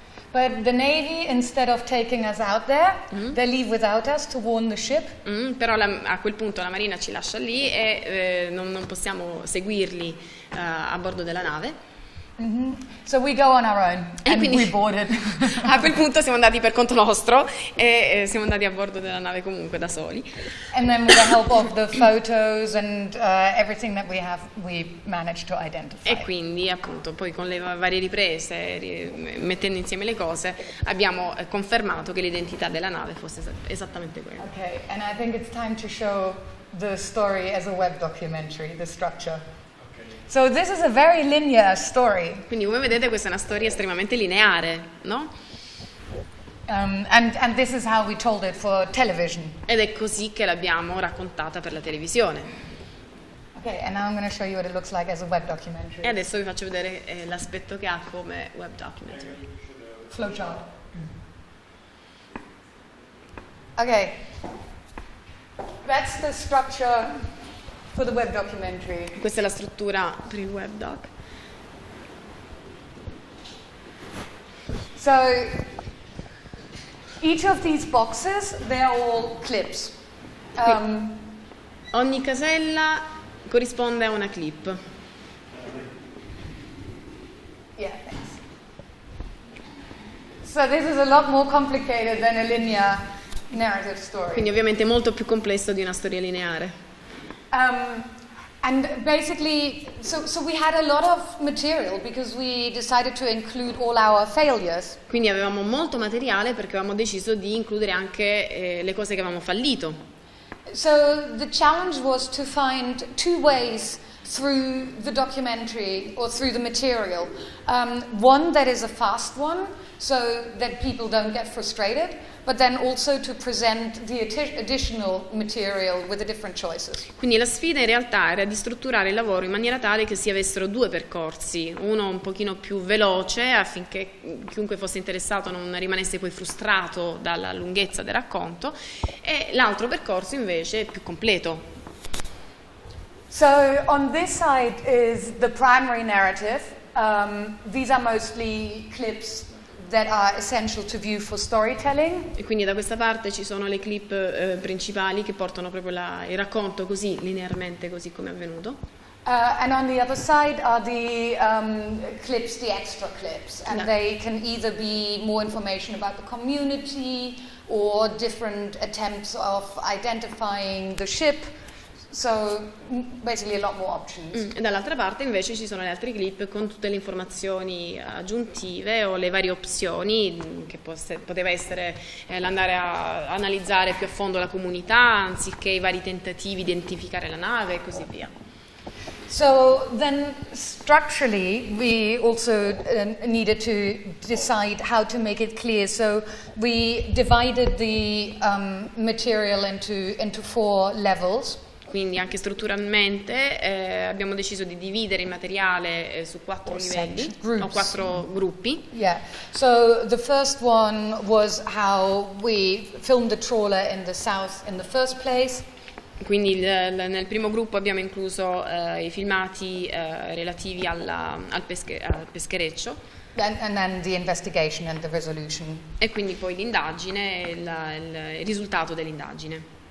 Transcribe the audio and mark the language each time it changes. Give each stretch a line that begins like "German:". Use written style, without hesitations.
English: But the Navy, instead of taking us out there, they leave without us to warn the ship.
Italian: Però a quel punto la Marina ci lascia lì e non possiamo seguirli a bordo della nave.
English: So we go on our own and quindi, we boarded.
Italian: A quel punto siamo andati per conto nostro e siamo andati a bordo della nave comunque da soli.
English: And then with the help of the photos and everything that we have, we managed to identify.
Italian: E quindi appunto poi con le varie riprese, mettendo insieme le cose, abbiamo confermato che l'identità della nave fosse esattamente quella.
English: Okay, and I think it's time to show the story as a web documentary, the structure. So this is a very linear story.
Italian: Quindi come vedete questa è una storia estremamente lineare, no?
English: And this is how we told it for television.
Italian: Ed è così che l'abbiamo raccontata per la televisione.
English: Okay, and now I'm going to show you what it looks like as a web documentary.
Italian: E adesso vi faccio vedere l'aspetto che ha come web documentary.
English: Flowchart. Okay. That's the structure. For the web documentary.
Italian: Questa è la struttura per il web doc.
English: So each of these boxes, they are all clips.
Italian: Ogni casella corrisponde a una clip.
English: Yeah, thanks. So this is a lot more complicated than a linear narrative story.
Italian: Quindi ovviamente molto più complesso di una storia lineare.
English: And basically, so we had a lot of material because we decided to include all our failures.
Italian: Quindi avevamo molto materiale perché avevamo deciso di includere anche le cose che avevamo fallito.
English: So the challenge was to find two ways through the documentary or through the material. One that is a fast one, so that people don't get frustrated, but then also to present the additional material with the different choices.
Italian: Quindi la sfida in realtà era di strutturare il lavoro in maniera tale che si avessero due percorsi, uno un pochino più veloce affinché chiunque fosse interessato non rimanesse poi frustrato dalla lunghezza del racconto, e l'altro percorso invece più completo.
English: So on this side is the primary narrative. These are mostly clips that are essential to view for storytelling.
Italian: E quindi da questa parte ci sono le clip principali che portano proprio il racconto così linearmente così come è avvenuto.
English: And on the other side are the clips, the extra clips, and no. They can either be more information about the community or different attempts of identifying the ship. So basically a lot more options.
Italian: E dall'altra parte invece ci sono le altre clip con tutte le informazioni aggiuntive o le varie opzioni che poteva essere l'andare a analizzare più a fondo la comunità anziché i vari tentativi di identificare la nave e così via.
English: So then structurally we also needed to decide how to make it clear, so we divided the material into four levels.
Italian: Quindi anche strutturalmente abbiamo deciso di dividere il materiale su quattro livelli o quattro gruppi.
English: Yeah. So the first one was how we filmed the trawler in the south in the first place.
Italian: Quindi nel primo gruppo abbiamo incluso i filmati relativi al peschereccio.
English: And then the investigation and the resolution.
Italian: E quindi poi l'indagine e il risultato dell'indagine.